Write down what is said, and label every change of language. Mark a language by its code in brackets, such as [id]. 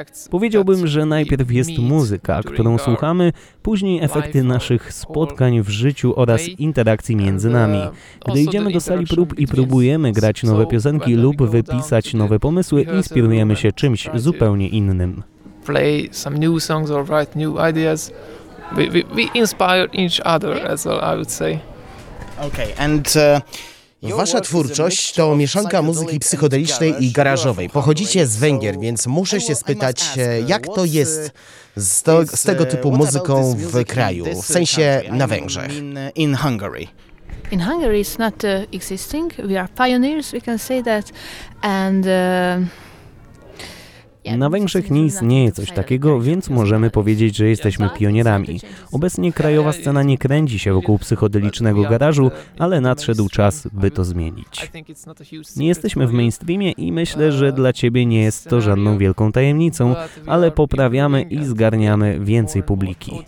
[pl] Powiedziałbym, że najpierw jest muzyka, którą słuchamy, później efekty naszych spotkań w życiu oraz interakcji między nami. Gdy idziemy do sali prób i próbujemy grać nowe piosenki lub wypisać nowe pomysły, inspirujemy się czymś zupełnie innym. [en] Play some new songs or write new ideas. We inspire each other as well, I would say. Okay, and [pl] wasza twórczość to mieszanka muzyki psychodelicznej i garażowej. Pochodzicie z Węgier, więc muszę się spytać, jak to jest z tego typu muzyką w kraju, w sensie na Węgrzech. [en] In Hungary it's not existing. We are pioneers, we can say that. And [pl] na Węgrzech nie istnieje coś takiego, więc możemy powiedzieć, że jesteśmy pionierami. Obecnie krajowa scena nie kręci się wokół psychodelicznego garażu, ale nadszedł czas, by to zmienić. Nie jesteśmy w mainstreamie i myślę, że dla ciebie nie jest to żadną wielką tajemnicą, ale poprawiamy i zgarniamy więcej publiki.